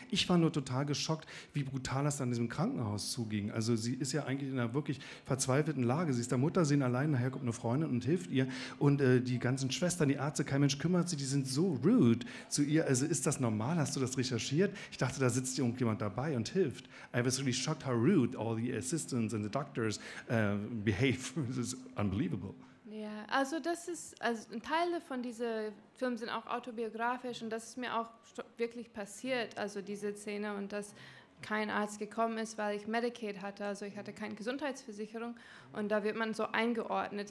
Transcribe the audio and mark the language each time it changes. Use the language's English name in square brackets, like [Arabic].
[German] Ich war nur total geschockt, wie brutal das dann in diesem Krankenhaus zuging. Also sie ist ja eigentlich in einer wirklich verzweifelten Lage. Sie ist der Mutter, sie ist allein, nachher kommt eine Freundin und hilft ihr. Und die ganzen Schwestern, die Ärzte, kein Mensch kümmert sich, die sind so rude zu ihr. Also ist das normal? Hast du das recherchiert? Ich dachte, da sitzt irgendjemand dabei und hilft. [English] I was really shocked, how rude all the assistants and the doctors behave. This is unbelievable. [German] Ja, also das ist, also Teile von diesen Filmen sind auch autobiografisch und das ist mir auch wirklich passiert, also diese Szene und das kein Arzt gekommen ist, weil ich Medicaid hatte, also ich hatte keine Gesundheitsversicherung und da wird man so eingeordnet.